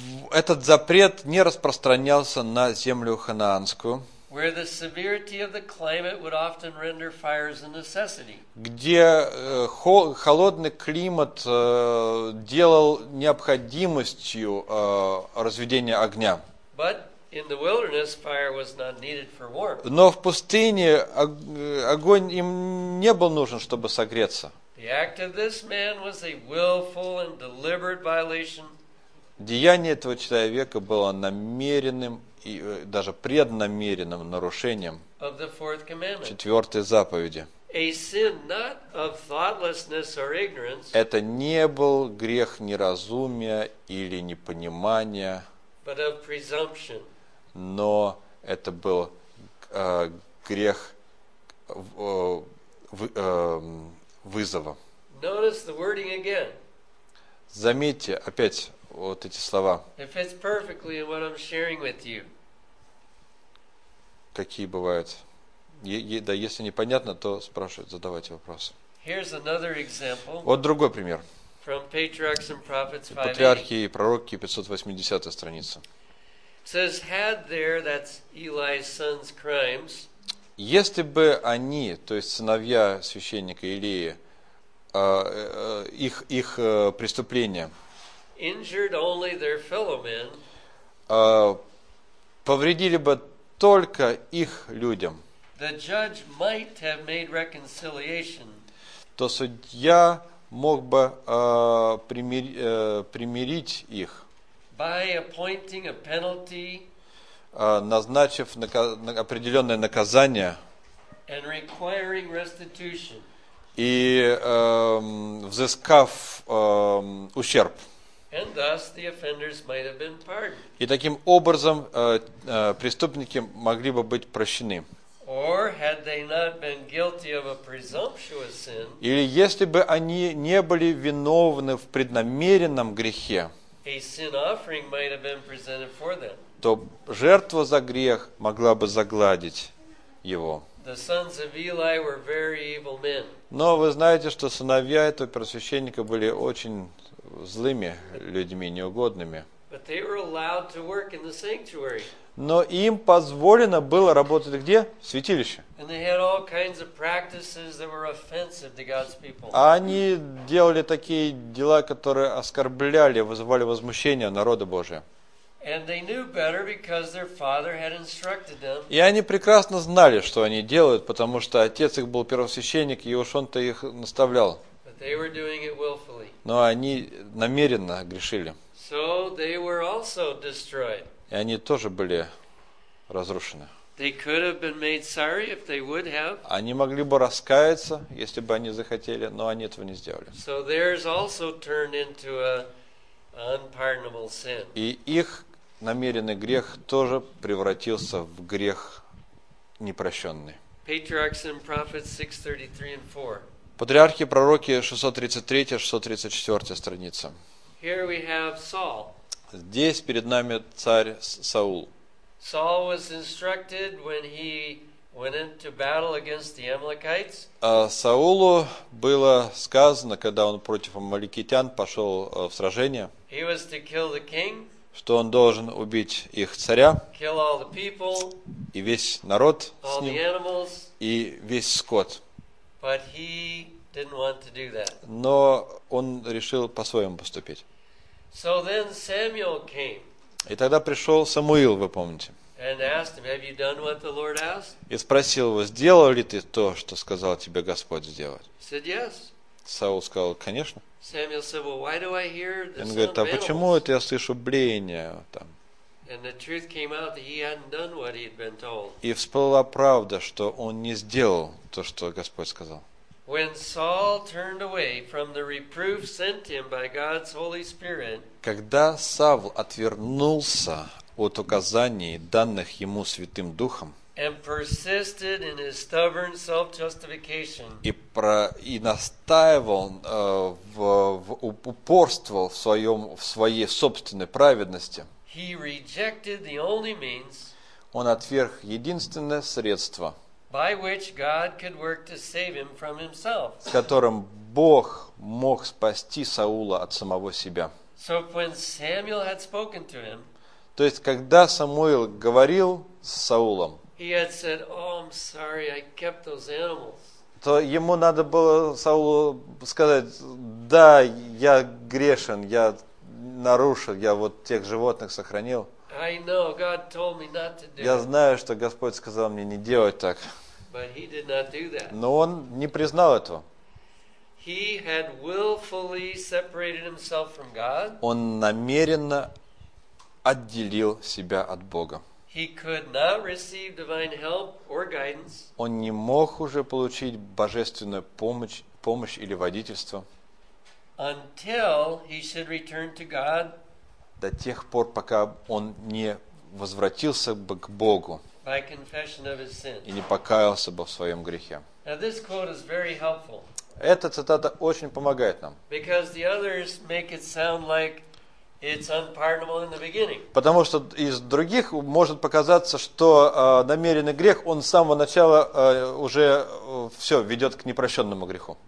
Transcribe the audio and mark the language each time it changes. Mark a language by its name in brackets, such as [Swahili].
[Russian] Этот запрет не распространялся на землю ханаанскую. [English] Where the severity of the climate would often render fires a necessity. [Russian] Где холодный климат делал необходимостью разведения огня. [English] But in the wilderness, fire was not needed for warmth. [Russian] Но в пустыне огонь им не был нужен, чтобы согреться. [English] The act of this man was a willful and deliberate violation. [Russian] Деяние этого человека было намеренным и даже преднамеренным нарушением четвертой заповеди. [English] A sin not of thoughtlessness or ignorance. [Russian] Это не был грех неразумия или непонимания. [English] But of presumption. [Russian] Но это был грех вызова. [English] Notice the wording again. [Russian] Заметьте опять вот эти слова. [English] It fits perfectly in what I'm sharing with you. [Russian] Какие бывают? Да, если непонятно, то спрашивайте, задавайте вопросы. [English] Here's another example. [Russian] Вот другой пример. [English] From Patriarchs and Prophets 5. [Russian] Патриархи и пророки, 580 страница. [English] Says had there, that's Eli's son's crimes. [Russian] Если бы они, то есть сыновья священника Илии, их преступления [English] injured only their fellow men, [Russian] повредили бы только их людям, [English] the judge might have made reconciliation. [Russian] То судья мог бы примирить их, [English] by appointing a penalty, [Russian] назначив определенное наказание [English] and requiring restitution. [Russian] И взыскав ущерб. [English] And thus the offenders might have been pardoned. [Russian] И таким образом преступники могли бы быть прощены. [English] Or had they not been guilty of a presumptuous sin, [Russian] или если бы они не были виновны в преднамеренном грехе, [English] a sin offering might have been presented for them. [Russian] То жертва за грех могла бы загладить его. [English] The sons of Eli were very evil men. [Russian] Но вы знаете, что сыновья этого первосвященника были очень злыми людьми, неугодными. [English] But they were allowed to work in the sanctuary. [Russian] Но им позволено было работать где? В святилище. [English] And they had all kinds of practices that were offensive to God's people. [Russian] Они делали такие дела, которые оскорбляли, вызывали возмущение народа Божия. [English] And they knew better because their father had instructed them. [Russian] И они прекрасно знали, что они делают, потому что отец их был первосвященник, и уж он-то их наставлял. [English] But they were doing it willfully. [Russian] Но они намеренно грешили. [English] So they were also destroyed. [Russian] И они тоже были разрушены. [English] They could have been made sorry if they would have. [Russian] Они могли бы раскаяться, если бы они захотели, но они этого не сделали. [English] So theirs also turned into a unpardonable sin. [Russian] И их намеренный грех тоже превратился в грех непрощенный. [English] Patriarchs and Prophets 633 and 4. [Russian] Патриархи, пророки 633-634 страница. [English] Here we have Saul. [Russian] Здесь перед нами царь Саул. [English] Saul was instructed when he went into battle against the Amalekites. [Russian] Саулу было сказано, когда он против амаликитян пошел в сражение, [English] he was to kill the king, [Russian] что он должен убить их царя, [English] kill all the people, [Russian] и весь народ с ним, [English] all the animals, [Russian] и весь скот. [English] But he didn't want to do that. [Russian] Но он решил по-своему поступить. [English] So then Samuel came. [Russian] И тогда пришел Самуил, вы помните. [English] And asked him, "Have you done what the Lord asked?" [Russian] И спросил его, сделал ли ты то, что сказал тебе Господь сделать? [English] He said, "Yes." [Russian] Саул сказал, конечно. [English] Samuel said, "Well, why do I hear the sound of animals?" [Russian] Он говорит, а почему это я слышу блеяние там? [English] And the truth came out that he hadn't done what he had been told. [Russian] И всплыла правда, что он не сделал то, что Господь сказал. [English] When Saul turned away from the reproof sent him by God's Holy Spirit. [Russian] Когда Саул отвернулся от указаний, данных ему Святым Духом, [English] and persisted in his stubborn self-justification, [Russian] и настаивал, упорствовал в своей собственной праведности, [English] he rejected the only means, [Russian] он отверг единственное средство, [English] by which God could work to save him from himself, [Russian] с которым Бог мог спасти Саула от самого себя. [English] So when Samuel had spoken to him, [Russian] то есть, когда Самуил говорил с Саулом, [English] he had said, "Oh, I'm sorry, I kept those animals." [Russian] То ему надо было Саулу сказать, да, я грешен, я нарушил, я вот тех животных сохранил. [English] I know, God told me not to do it. [Russian] Я знаю, что Господь сказал мне не делать так. [English] But he did not do that. [Russian] Но он не признал этого. [English] He had willfully separated himself from God. [Russian] Он намеренно отделил себя от Бога. [English] He could not receive divine help or guidance. [Russian] Он не мог уже получить божественную помощь или водительство. [English] Until he should return to God. [Russian] До тех пор, пока он не возвратился бы к Богу. [English] By confession of his sin. [Russian] И не покаялся бы в своем грехе. [English] Now this quote is very helpful. [Russian] Эта цитата очень помогает нам. [English] Because the others make it sound like it's unpardonable in the beginning. [Russian] Потому что из других может показаться, что намеренный грех, он с самого начала уже все ведет к непрощенному греху.